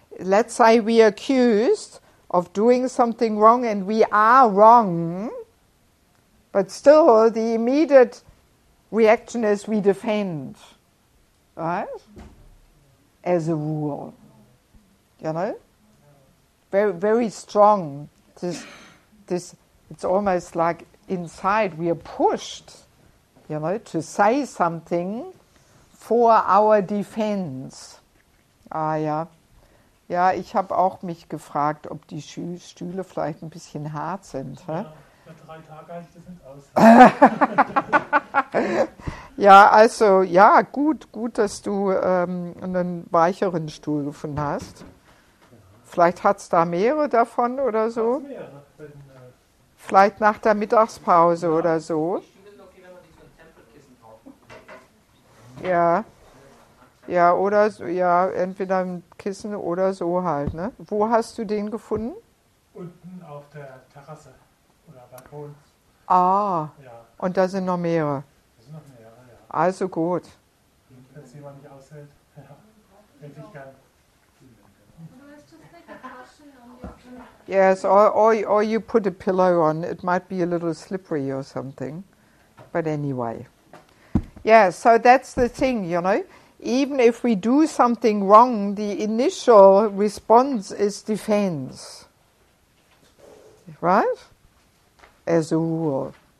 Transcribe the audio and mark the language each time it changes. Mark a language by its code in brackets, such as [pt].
[en] Let's say we are accused of doing something wrong and we are wrong, but still the immediate reaction is we defend, right? As a rule. Very, very strong. It's almost like inside we are pushed, to say something for our defense. [de] Ah ja. Ja, ich habe auch mich gefragt, ob die Stühle vielleicht ein bisschen hart sind. Hä? Ja, für 3 Tage habe ich das nicht aus. Ja, also ja, gut, dass du einen weicheren Stuhl gefunden hast. Vielleicht hat es da mehrere davon oder Hat es so. mehr? Vielleicht nach der Mittagspause oder Ja, so. ich finde es okay, wenn man sich so ein Tempelkissen kauft. Ja, oder so, ja, entweder ein Kissen oder so halt, ne? Wo hast du den gefunden? Unten auf der Terrasse oder Balkon. Ah, Ja. und da sind noch mehrere. Noch mehrere, ja. Also gut. Und wenn es jemand nicht aushält, ja, endlich gern. [en] Yes, or you put a pillow on. It might be a little slippery or something. But anyway. Yeah, so that's the thing, Even if we do something wrong, the initial response is defense. Right? As a rule.